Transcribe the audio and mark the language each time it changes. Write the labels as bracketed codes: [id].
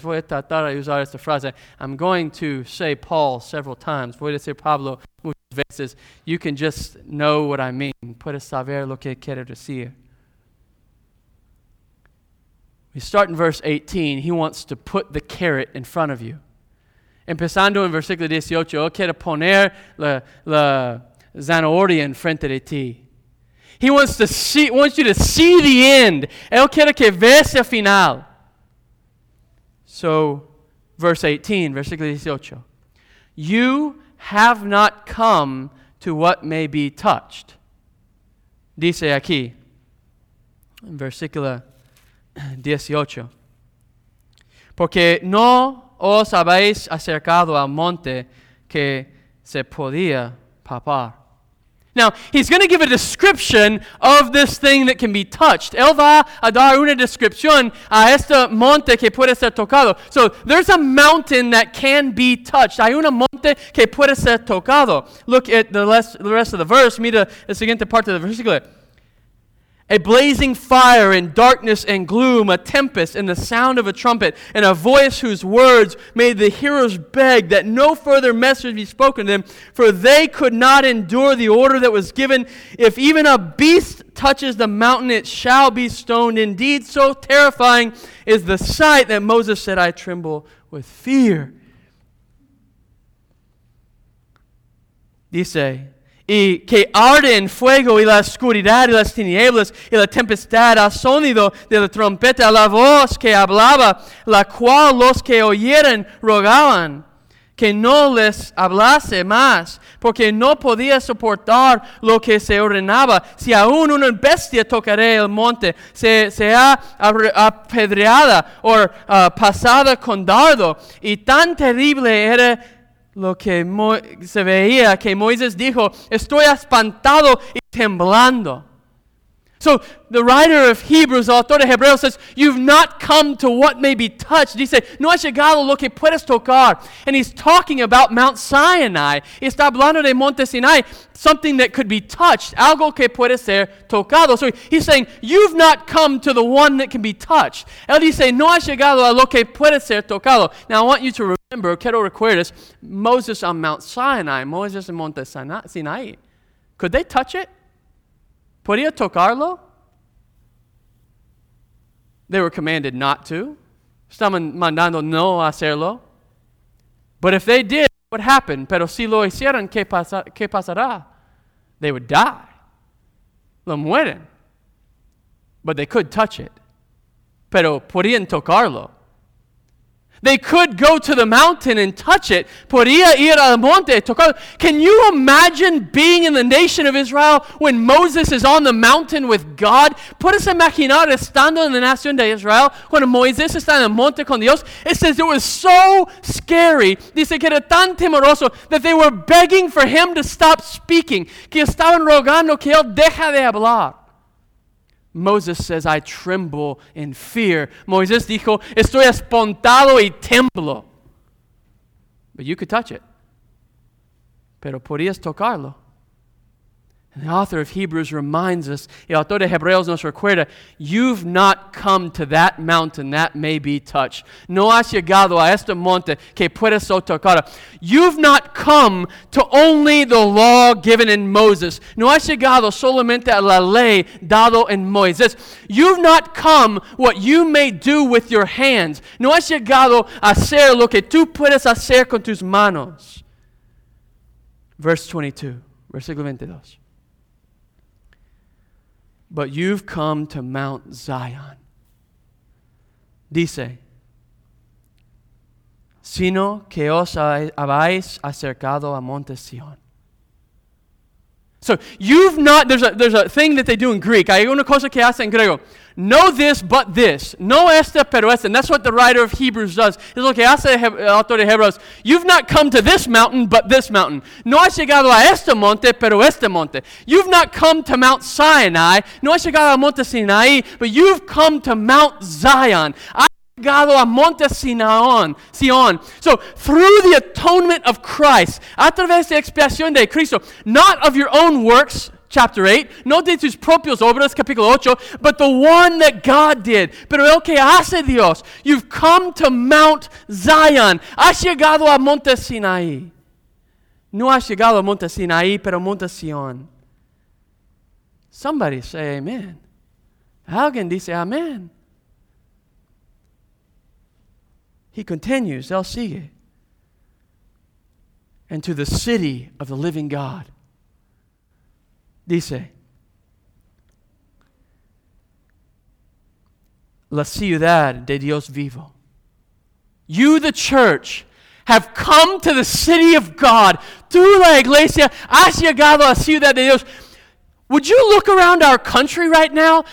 [es] Voy a tratar de usar esta frase. [en] I'm going to say Paul several times. [es] Voy a decir Pablo muchas veces. [en] You can just know what I mean. [es] Puedes saber lo que quiero decir. [en] We start in verse 18. He wants to put the carrot in front of you. [es] Empezando en versículo 18, quiero poner la zanahoria en frente de ti. [en] He wants you to see the end. [es] Él quiere que veas el final. [en] So, verse 18, [es] versículo 18. [en] You have not come to what may be touched. [es] Dice aquí, en versículo 18. Porque no os habéis acercado al monte que se podía palpar. [en] Now, he's going to give a description of this thing that can be touched. [es] Él va a dar una descripción a este monte que puede ser tocado. [en] So, there's a mountain that can be touched. [es] Hay un monte que puede ser tocado. [en] Look at the rest of the verse. [es] Mira la siguiente parte del versículo. [en] A blazing fire and darkness and gloom, a tempest and the sound of a trumpet, and a voice whose words made the hearers beg that no further message be spoken to them, for they could not endure the order that was given. If even a beast touches the mountain, it shall be stoned. Indeed, so terrifying is the sight that Moses said, I tremble with fear. [es] Dice, y que arde en fuego y la oscuridad y las tinieblas y la tempestad al sonido de la trompeta, la voz que hablaba, la cual los que oyeron rogaban que no les hablase más, porque no podía soportar lo que se ordenaba. Si aún una bestia tocaré el monte, sea apedreada o pasada con dardo, y tan terrible era lo que se veía, que Moisés dijo, estoy espantado y temblando. [en] So, the writer of Hebrews, [es] the author of Hebreos, [en] says, you've not come to what may be touched. [es] Dice, no has llegado lo que puedes tocar. [en] And he's talking about Mount Sinai. [es] Está hablando de Monte Sinai, [en] something that could be touched, [es] algo que puede ser tocado. [en] So, he's saying, you've not come to the one that can be touched. [es] Él dice, no has llegado a lo que puede ser tocado. [en] Now, I want you to remember, [es] quiero recuerdes, [en] Moses on Mount Sinai, [es] Moses en Monte Sinai. [en] Could they touch it? [es] ¿Podía tocarlo? [en] They were commanded not to. [es] Estaban mandando no hacerlo. [en] But if they did, what happened? [es] Pero si lo hicieron, ¿qué pasará? [en] They would die. [es] Lo mueren. [en] But they could touch it. [es] Pero podían tocarlo. [en] They could go to the mountain and touch it. [es] Podía ir al monte, tocarlo. [en] Can you imagine being in the nation of Israel when Moses is on the mountain with God? [es] ¿Puedes imaginar estando en la nación de Israel cuando Moisés está en el monte con Dios? [en] It says it was so scary. [es] Dice que era tan temeroso [en] that they were begging for him to stop speaking. [es] Que estaban rogando que él deja de hablar. [en] Moses says, I tremble in fear. [es] Moisés dijo, estoy espantado y temblo. [en] But you could touch it. [es] Pero podías tocarlo. [en] And the author of Hebrews reminds us, [es] el autor de Hebreos nos recuerda, [en] you've not come to that mountain that may be touched. [es] No has llegado a este monte que puede ser tocado. [en] You've not come to only the law given in Moses. [es] No has llegado solamente a la ley dado en Moisés. [en] You've not come what you may do with your hands. [es] No has llegado a hacer lo que tú puedes hacer con tus manos. [en] Verse 22, [es] versículo 22. [en] But you've come to Mount Zion. [es] Dice, sino que os habéis acercado a Monte Sion. [en] So you've not, there's a thing that they do in Greek. [es] Hay una cosa que hace en griego. [en] Know this, but this. [es] No esta, pero esta. [en] And that's what the writer of Hebrews does. [es] Es lo que hace el autor de Hebreos. [en] You've not come to this mountain, but this mountain. [es] No has llegado a este monte, pero este monte. [en] You've not come to Mount Sinai. [es] No has llegado a Monte Sinai, [en] but you've come to Mount Zion. [es] A Monte Sion. [en] So through the atonement of Christ, [es] a través de expiación de Cristo, [en] not of your own works, chapter 8, [es] no de tus propios obras, capítulo 8, [en] but the one that God did. [es] Pero el que hace Dios, [en] you've come to Mount Zion. [es] Has llegado a Monte Sinai. No has llegado a Monte Sinai, pero Monte Sion. [en] Somebody say amen. [es] Alguien dice amen. [en] He continues, [es] él sigue, [en] and to the city of the living God. [es] Dice, la ciudad de Dios vivo. [en] You, the church, have come to the city of God. [es] Tú, la iglesia, has llegado a la ciudad de Dios. [en] Would you look around our country right now?